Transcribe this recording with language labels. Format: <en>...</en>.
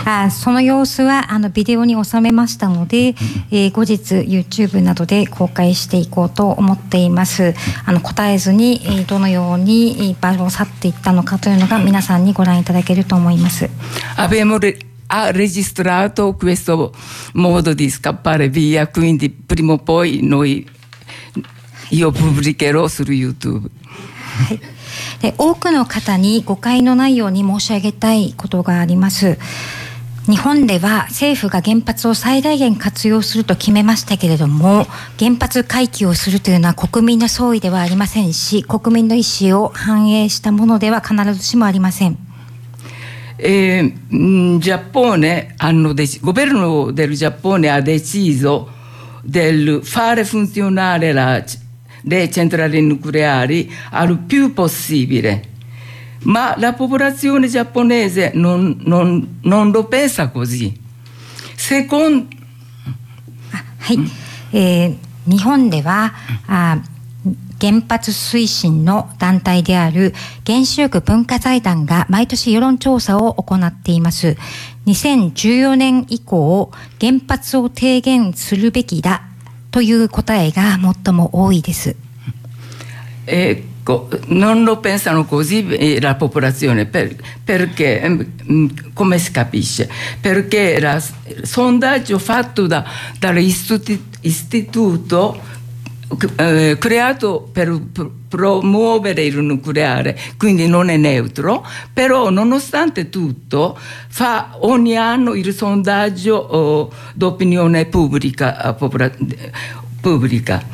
<ja>その様子はあのビデオに収めましたので、後日 YouTube などで公開していこうと思っています。あの答えずに、どのように場を去っていったのかというのが皆さんにご覧いただけると思います。アベモレ</ja> <it>ha registrato questo modo di scappare via, quindi prima o poi noi io pubblicherò su YouTube.</it> <ja>で、多くの方に誤解のないように申し上げたいことがあります。日本では政府が原発を最大限活用すると決めましたけれども、原発回帰をするというのは国民の総意ではありませんし、国民の意思を反映したものでは必ずしもありません。</ja> <it>Giappone hanno deciso, governo del Giappone ha deciso del fare funzionare le centrali nucleari al più possibile, ma la popolazione giapponese non lo pensa così. Secondo,</it> <ja>はい、日本では原発推進の団体である原子力文化財団が毎年世論調査を行っています。 2014年以降原発を提言するべきだという答えが最も多いです。</ja> <it>Non lo pensano così la popolazione perché come si capisce? Perché il sondaggio fatto dall'istituto creato per promuovere il nucleare, quindi non è neutro, però nonostante tutto fa ogni anno il sondaggio d'opinione pubblica pubblica.</it>